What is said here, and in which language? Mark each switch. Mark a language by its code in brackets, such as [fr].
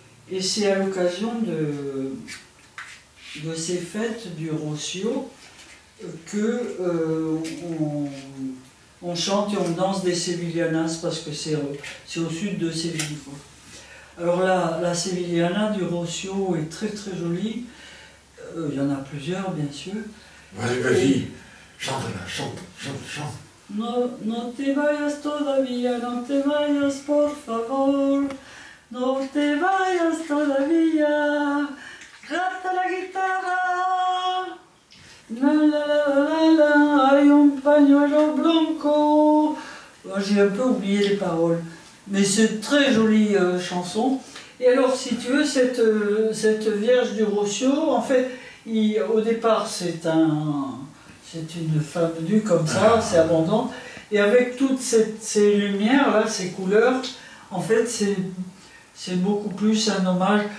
[fr] Et c'est à l'occasion de ces fêtes du Rossio qu'on chante et on danse des sévillianas, parce que c'est au sud de Séville, quoi. Alors la sévilliana du Rossio est très très jolie. Il y en a plusieurs, bien sûr. Vas-y, chante. [es] No te vayas todavía, no te vayas por favor. No te vayas todavía, grata la guitarra. La la la la la, hay un pañuelo blanco. [fr] J'ai un peu oublié les paroles, mais c'est une très jolie chanson. Et alors, si tu veux, cette Vierge du Rossio, en fait, au départ, c'est une femme nue comme ça, c'est abondant. Et avec toutes ces lumières-là, ces couleurs, en fait, c'est beaucoup plus un hommage.